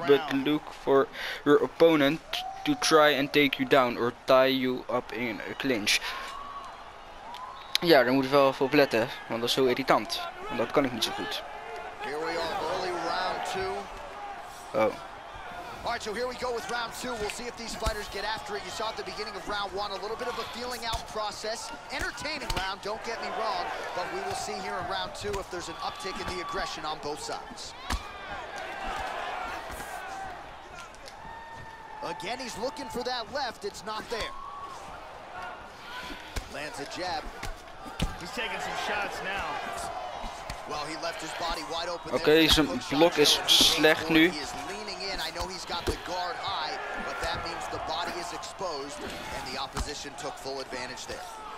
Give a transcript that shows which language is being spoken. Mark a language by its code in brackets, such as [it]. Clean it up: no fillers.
[en] But look for your opponent to try and take you down or tie you up in a clinch. [nl] Ja, daar moet ik wel even op letten, want dat is zo irritant. Want dat kan ik niet zo goed. [en] Here we are, early round two. Oh. Alright, so here we go with round two. We'll see if these fighters get after it. You saw at the beginning of round one, a little bit of a feeling out process. Entertaining round, don't get me wrong. But we will see here in round two if there's an uptick in the aggression on both sides. Again, he's looking for that left. It's not there. Lands a jab. He's taking some shots now. Well, he left his body wide open. [nl] Okay, zijn blok is slecht nu. [en] He is leaning in. I know he's got the guard high, but that means the body is exposed, and the opposition took full advantage there.